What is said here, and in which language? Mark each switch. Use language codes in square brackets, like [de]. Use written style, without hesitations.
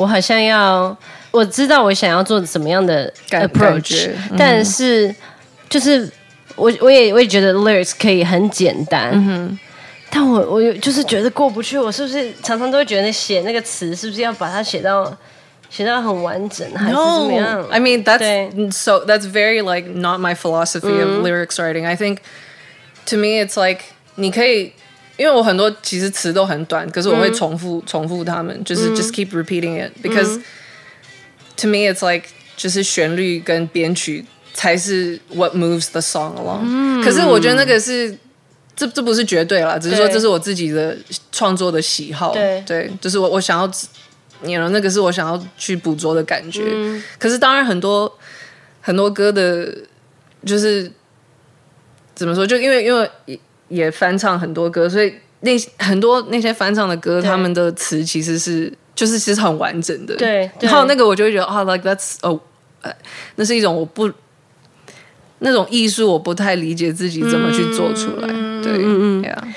[zh] 那首歌就是让我觉得我好像要我知道我想要做什么样的 approach， 但是就是我也觉得 lyrics 可以很简单，但我就是觉得过不去。我是不是常常都会觉得写那个词是不是要把它写到？ [en] No, I mean, that's very, like, not my philosophy of lyrics writing. I think, to me, it's like, [zh] 你可以,因为我很多其实词都很短,可是我会重复它们,就是 [en] just keep repeating it. Because, to me, it's like, [zh] 就是旋律跟编曲才是 [en] what moves the song along. [zh] 可是我觉得那个是, 这不是绝对啦,只是说这是我自己的创作的喜好,对,就是我想要 [en] You know, [zh] 那个是我想要去捕捉的感觉。可是当然很多歌的，就是怎么说，就因为也翻唱很多歌，所以很多那些翻唱的歌，他们的词其实是很完整的。然后那个我就会觉得， [en] like that's a [zh] 那是一种我不那种艺术，我不太理解自己怎么去做出来。